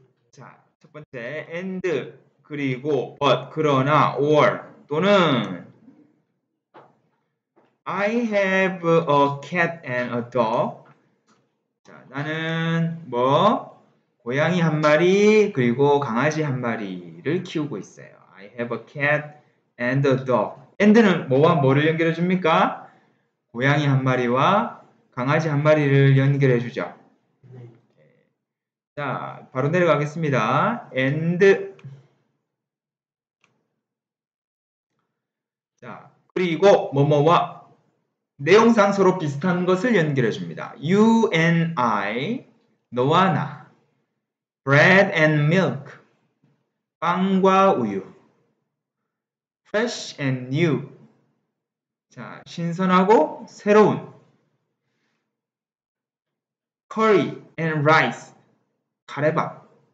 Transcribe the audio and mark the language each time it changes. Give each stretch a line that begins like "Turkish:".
Korean: 자, 첫 번째
English: and
Korean: 그리고
English: but
Korean: 그러나
English: or
Korean: 또는
English: I have a cat and a dog.
Korean: 자, 나는 뭐 고양이 한 마리 그리고 강아지 한 마리를 키우고 있어요.
English: I have a cat and a dog.
Korean: And는 뭐와 뭐를 연결해 줍니까? 고양이 한 마리와 강아지 한 마리를 연결해 주죠. 자, 바로 내려가겠습니다. And 자, 그리고 뭐뭐와 내용상 서로 비슷한 것을 연결해 줍니다.
English: You and I,
Korean: 너와 나.
English: Bread and milk,
Korean: 빵과 우유.
English: Fresh and new,
Korean: 자, 신선하고 새로운.
English: Curry and rice, 카레밥.